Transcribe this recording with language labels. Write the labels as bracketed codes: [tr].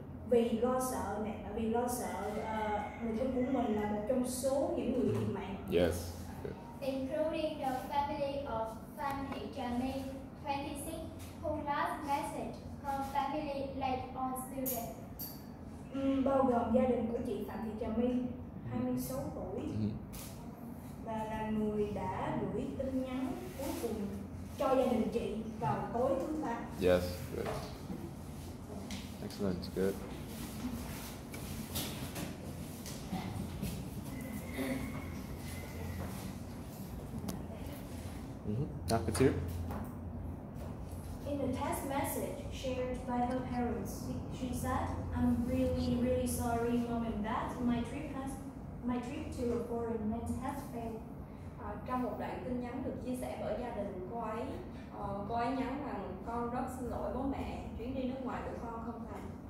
[vi] Vì lo sợ người thân của mình là một trong số những người thiệt mạng. [en] Yes. Including the family of Phan Thị Trà My, 26, who last messaged her family late on Tuesday. [vi] Bao gồm gia đình của chị Phan Thị Trà My, 26 tuổi, và là người đã gửi tin nhắn cuối cùng cho gia đình chị vào tối thứ ba. [en] Yes. Good. Excellent. Good. In a text message shared by her parents, she said, "I'm really, really sorry, Mom and Dad. My trip to a foreign land has failed." [vi] Trong một đoạn tin nhắn được chia sẻ bởi gia đình cô ấy nhắn rằng con rất xin lỗi bố mẹ, chuyến đi nước ngoài của con không thành.